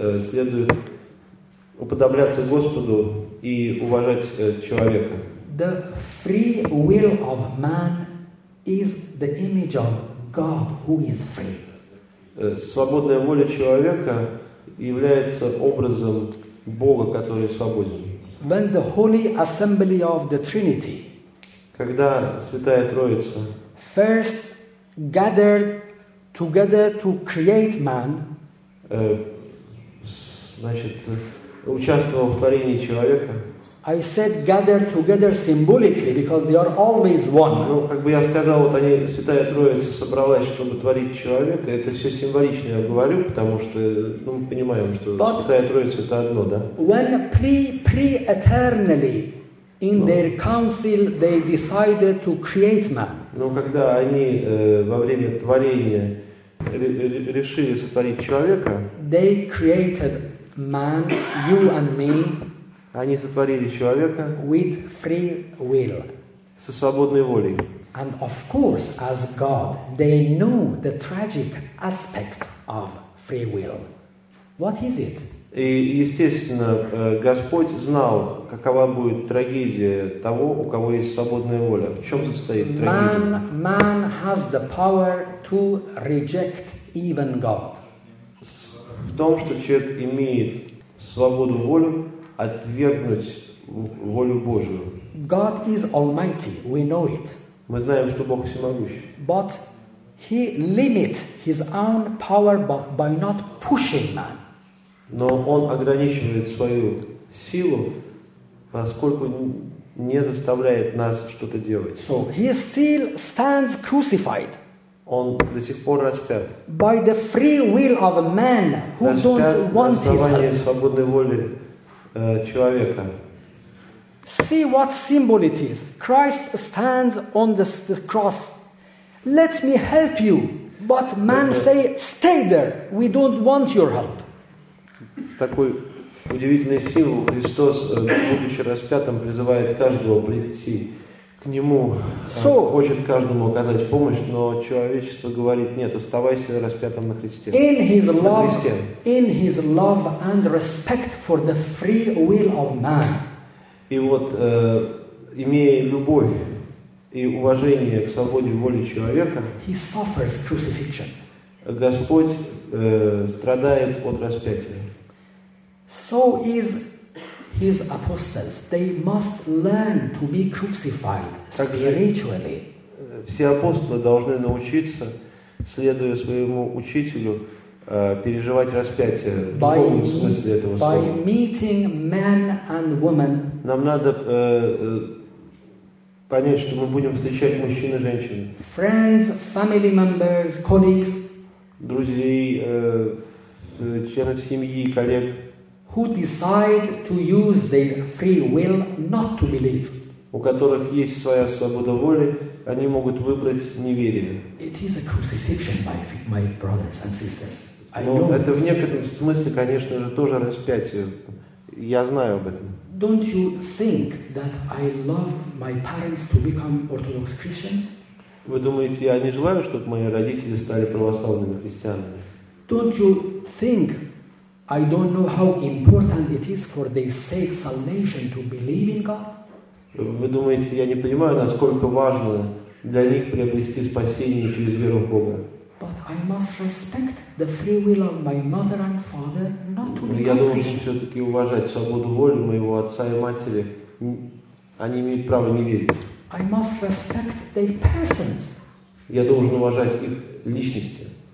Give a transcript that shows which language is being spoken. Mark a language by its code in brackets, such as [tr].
[ru] Следует уподобляться Господу и уважать человека. [en] The free will of man is the image of God who is free. [ru] Свободная воля человека является образом Бога, который свободен. [en] When the Holy Assembly of the Trinity, [ru] когда Святая Троица [en] first gathered together to create man, [ru] значит, участвовал в творении человека. [en] I said gather together symbolically because they are always one. [ru] Ну, как бы я сказал, вот они, Святая Троица собралась, чтобы творить человека. Это все символично я говорю, потому что, ну, мы понимаем, что [en] but [ru] Святая Троица это одно, да? [en] When pre-eternally in their council they decided to create man. [ru] Ну, когда они во время творения решили сотворить человека, [en] they created man, you and me. [ru] Они сотворили человека [en] with free will. [ru] Со свободной волей. [en] And of course, as God, they knew the tragic aspect of free will. What is it? [ru] И, естественно, Господь знал, какова будет трагедия того, у кого есть свободная воля. В чем состоит трагедия? [en] Man has the power to reject even God. [ru] В том, что человек имеет свободу воли, отвергнуть волю Божию. [en] God is Almighty, we know it. [ru] Мы знаем, что Бог всемогущий. [en] But He limits His own power by not pushing man. [ru] Но Он ограничивает свою силу, поскольку не заставляет нас что-то делать. [en] So He still stands crucified. [ru] Он до сих пор распят. [en] By the free will of a man who don't want His help. [ru] Распят на основании свободной воли человека. [en] See what symbol it is. Christ stands on the cross. Let me help you. But man say, stay there. We don't want your help. [ru] Такой удивительный символ. Христос, будучи распятым, призывает каждого прийти к Нему. [en] So, [ru] хочет каждому оказать помощь, но человечество говорит, нет, оставайся распятым на Христе. [en] In His love, in His love and respect for the free will of man. [ru] И вот, имея любовь и уважение к свободе воли человека, [en] He suffers crucifixion. [ru] Господь страдает от распятия. [en] So is His apostles, they must learn to be crucified spiritually. [ru] Все апостолы должны научиться, следуя своему учителю, переживать распятие в духовном смысле этого слова. [en] By meeting men and women. [ru] Нам надо понять, что мы будем встречать мужчин и женщин. [en] Friends, family members, colleagues. [ru] Друзей, членов семьи, коллег. [en] Who decide to use their free will not to believe? [ru] У которых есть своя свобода воли, они могут выбрать неверие. [en] It is a crucifixion, my brothers and sisters. [ru] Но это в некотором смысле, конечно же, тоже распятие. Я знаю об этом. [en] Don't you think that I love my parents to become Orthodox Christians? [ru] Вы думаете, я не желаю, чтобы мои родители стали православными христианами? [en] Don't you think I don't know how important it is for their sake salvation to believe in God. [ru] Вы думаете, я не понимаю, насколько важно для них приобрести спасение через веру в Бога? [en] But I must respect the free will of my mother and father not to believe. [ru] Я должен все-таки уважать свободу воли моего отца и матери. Они имеют право не верить. [en] I must respect their persons. [ru] Я должен уважать их личности.